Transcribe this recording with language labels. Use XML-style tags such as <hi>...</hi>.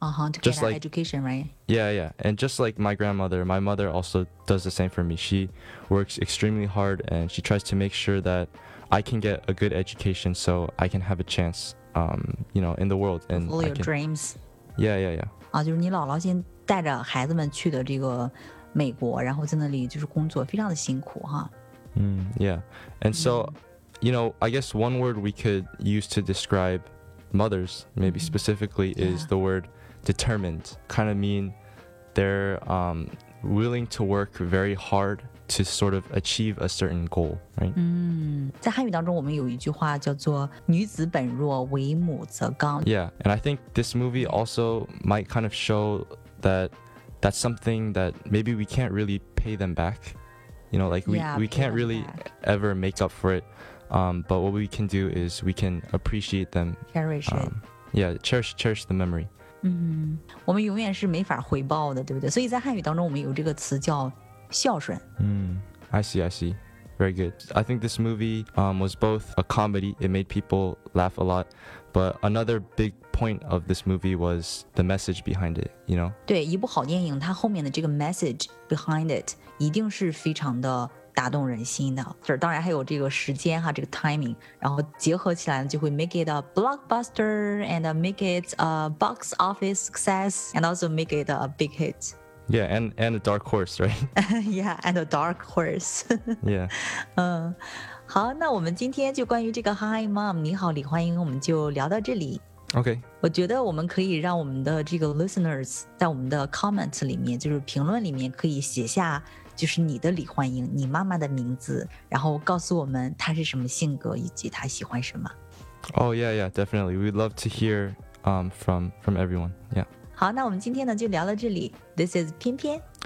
<en>uh-huh, to just get like an education, right? Yeah, yeah, and just like my grandmother, my mother also does the same for me. She works extremely hard, and she tries to make sure that I can get a good education, so I can have a chance, you know, in the world and all your dreams. Yeah, yeah, yeah.</en> <zh>啊，就是你姥姥先。带着孩子们去的这个美国，然后在那里就是工作，非常的辛苦哈。</zh> <en>Yeah. And so, you know, I guess one word we could use to describe mothers, maybe specifically, is the word determined. Kind of mean they're willing to work very hard to sort of achieve a certain goal, right?</en> <zh>在汉语当中我们有一句话叫做女子本弱，为母则刚。</zh> <en>Yeah. And I think this movie also might kind of show... That's something that maybe we can't really pay them back, you know, like we can't really ever make up for it. But what we can do is we can appreciate them, cherish it. Yeah, cherish the memory.</en> <zh>我们永远是没法回报的，对不对？所以在汉语当中，我们有这个词叫孝顺。</zh> <en>I see. Very good. I think this movie was both a comedy. It made people laugh a lot, but another big. Point of this movie was the message behind it, you know?</en> <zh>对，一部好电影，它后面的这个 message behind it 一定是非常的打动人心的。就是当然还有这个时间哈，这个 timing， 然后结合起来就会</zh> <en>make it a blockbuster and make it a box office success and also make it a big hit. Yeah, and a dark horse, right? Yeah, and a dark horse. Yeah.</en> <zh>好，那我们今天就关于这个 Hi Mom， 你好李焕英，我们就聊到这里。</zh> <en>Okay.</en> <zh>我觉得我们可以让我们的这个 listeners 在我们的 comments 里面就是评论里面可以写下就是你的李焕英你妈妈的名字然后告诉我们她是什么性格以及她喜欢什么</zh> <en>Oh yeah yeah definitely We'd love to hear from everyone Yeah.</en> <zh>好那我们今天呢就聊到这里</zh> <en>This is</en> <zh>翩翩</zh>